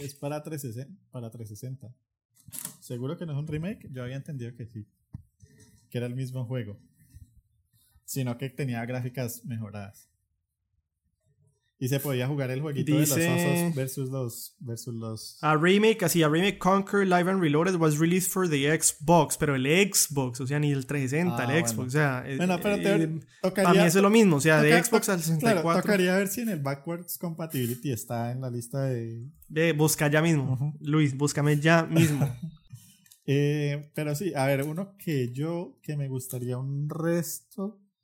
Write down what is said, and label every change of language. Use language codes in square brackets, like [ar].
[es] Es para 360. ¿Seguro que no es un remake? Yo había entendido que sí. Que era el mismo juego. Sino que tenía gráficas mejoradas. Y se podía jugar el jueguito de los osos versus los... [en] A remake Conker Live and Reloaded was released for the Xbox. [es] Pero el Xbox, o sea, ni el 360, Xbox, bueno. O sea... Bueno, pero tocaría... A mí eso es lo mismo, o sea, de Xbox al 64... Claro, tocaría ver si en el Backwards Compatibility está en la lista de... Busca ya mismo, Luis, búscame ya mismo. pero sí, a ver, uno que yo, que me gustaría un resto...